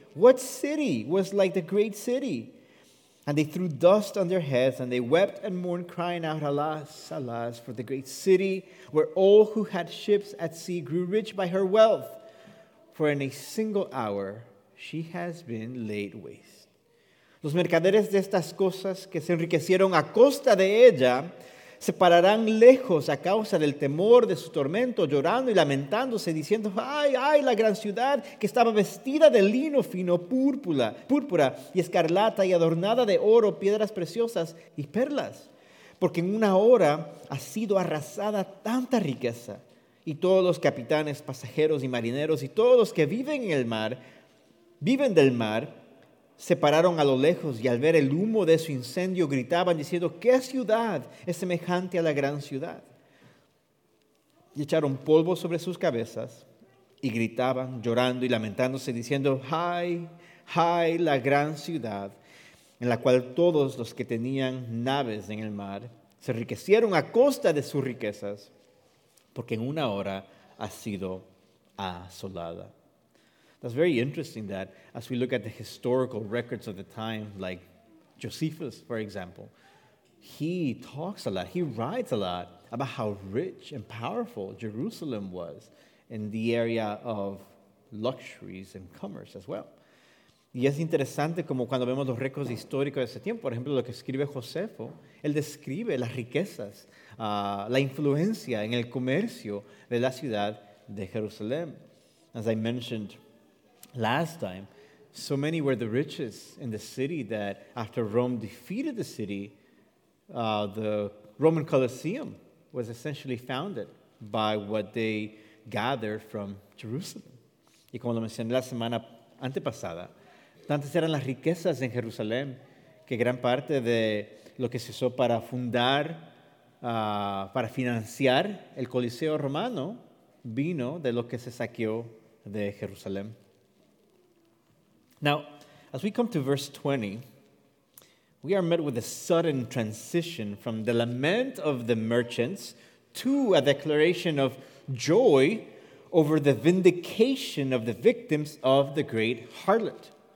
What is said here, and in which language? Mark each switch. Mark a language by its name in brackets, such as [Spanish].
[English] What city was like the great city? And they threw dust on their heads and they wept and mourned, crying out, "Alas, alas, for the great city where all who had ships at sea grew rich by her wealth. For in a single hour, she has been laid waste." [Spanish] Los mercaderes de estas cosas que se enriquecieron a costa de ella se pararán lejos a causa del temor de su tormento, llorando y lamentándose, diciendo, "Ay, ay, la gran ciudad que estaba vestida de lino fino, púrpura y escarlata y adornada de oro, piedras preciosas y perlas, porque en una hora ha sido arrasada tanta riqueza y todos los capitanes, pasajeros y marineros, y todos los que viven en el mar, viven del mar, se pararon a lo lejos y al ver el humo de su incendio gritaban diciendo, ¿qué ciudad es semejante a la gran ciudad? Y echaron polvo sobre sus cabezas y gritaban, llorando y lamentándose, diciendo, ¡ay, ay, la gran ciudad en la cual todos los que tenían naves en el mar se enriquecieron a costa de sus riquezas, porque en una hora ha sido asolada! [English] That's very interesting that as we look at the historical records of the time, like Josephus, for example, he talks a lot, he writes a lot about how rich and powerful Jerusalem was in the area of luxuries and commerce as well. [Spanish] Y es interesante como cuando vemos los récords históricos de ese tiempo, por ejemplo, lo que escribe Josefo, él describe las riquezas, la influencia en el comercio de la ciudad de Jerusalén. [English] As I mentioned last time, so many were the riches in the city that after Rome defeated the city, the Roman Colosseum was essentially founded by what they gathered from Jerusalem. [Spanish] Y como lo mencioné la semana antepasada, tantas eran las riquezas en Jerusalén que gran parte de lo que se usó para fundar, para financiar el Coliseo Romano vino de lo que se saqueó de Jerusalén. [English] Now, as we come to verse 20, we are met with a sudden transition from the lament of the merchants to a declaration of joy over the vindication of the victims of the great harlot.